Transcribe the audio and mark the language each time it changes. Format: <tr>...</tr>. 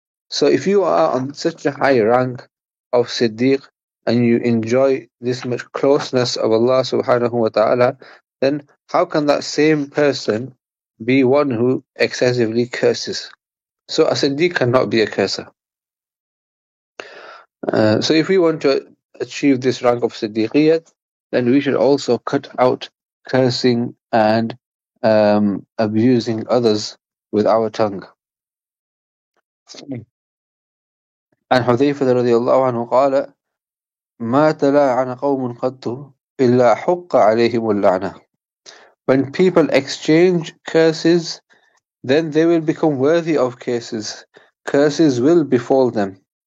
<en>So if you are on such a high rank of Siddiq and you enjoy this much closeness of Allah subhanahu wa ta'ala, then how can that same person be one who excessively curses? So a siddiq cannot be a curser. So if we want to achieve this rank of siddiqiyat, then we should also cut out cursing and abusing others with our tongue.</en> <ar>عن حذيفة رضي الله عنه قال ما تلاعن قوم قط إلا حق عليهم اللعنة.</ar> <en>When people exchange curses, then they will become worthy of curses. Curses will befall them.</en>